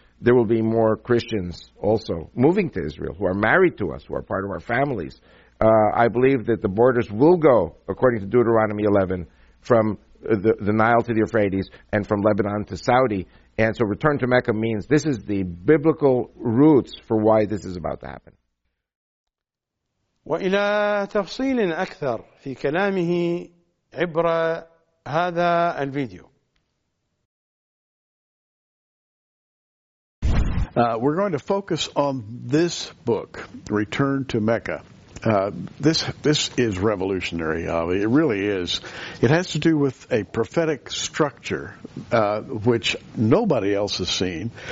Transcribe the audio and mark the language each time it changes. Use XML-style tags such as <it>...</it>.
<en>There will be more Christians also moving to Israel who are married to us, who are part of our families. I believe that the borders will go, according to Deuteronomy 11, from the Nile to the Euphrates and from Lebanon to Saudi. And so return to Mecca means this is the biblical roots for why this is about to happen.</en> <ar>وإلى تفصيل أكثر في كلامه عبر هذا الفيديو.</ar> <en>We're going to focus on this book, Return to Mecca. This is revolutionary. It really is. It has to do with a prophetic structure which nobody else has seen.</en>